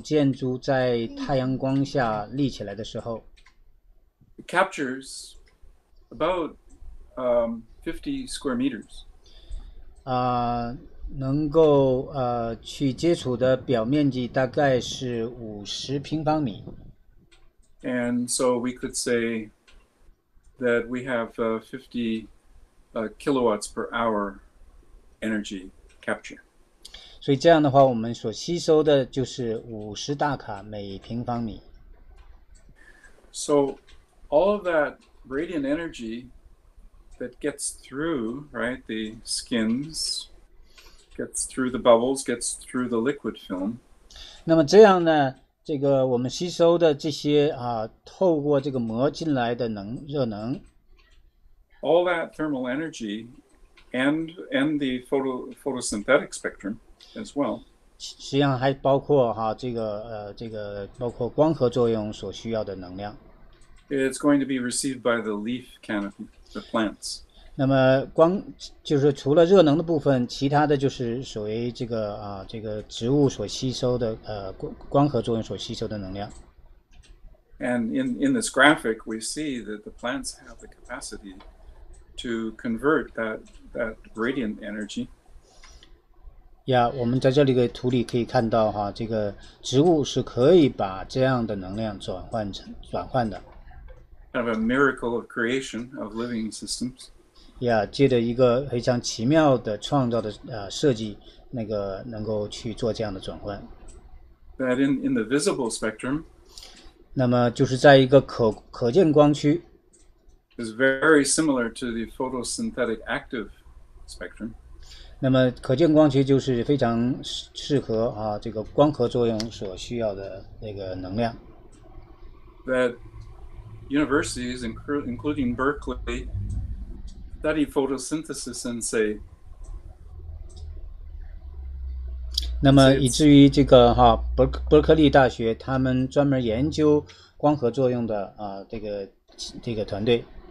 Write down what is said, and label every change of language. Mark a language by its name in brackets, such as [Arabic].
[Chinese] 所以当这样的一种建筑在太阳光下立起来的时候, [English] it captures about 50 square meters. [Chinese] 能够 去接触的表面积大概是 50平方米。 [English] And so we could say that we have 50 kilowatts per hour energy capture. [Chinese] 所以这样的话, 我们所吸收的就是 50大卡每平方米。 [English] So all of that radiant energy that gets through, right, the skins, gets through the bubbles, gets through the liquid film. [Chinese] 那么这样呢, 这个我们吸收的这些, 透过这个膜进来的能热能, [English] all that thermal energy and the photosynthetic spectrum as well. [Chinese] 实际上还包括, 这个包括光合作用所需要的能量。 [English] It's going to be received by the leaf canopy, the plants. [Chinese] 那么光就是除了热能的部分, 其他的就是属于这个, 这个植物所吸收的, 光合作用所吸收的能量。 [English] And in this graphic, we see that the plants have the capacity to convert that radiant energy. [Chinese] Yeah, 我们在这里的图里可以看到, 这个植物是可以把这样的能量转换的。 [English] Kind of a miracle of creation of living systems. [Chinese] Yeah, 借着一个非常奇妙的创造的, 设计, 那个能够去做这样的转换。 [English] That in the visible spectrum, [Chinese] 那么就是在一个可见光区, [English] is very similar to the photosynthetic active spectrum. [Chinese] 那么可见光区就是非常适合, 这个光合作用所需要的那个能量。 [English] That universities, including Berkeley, study photosynthesis and say, [Chinese] 那么以至于这个, 伯克利大学, 他们专门研究光合作用的, 这个团队。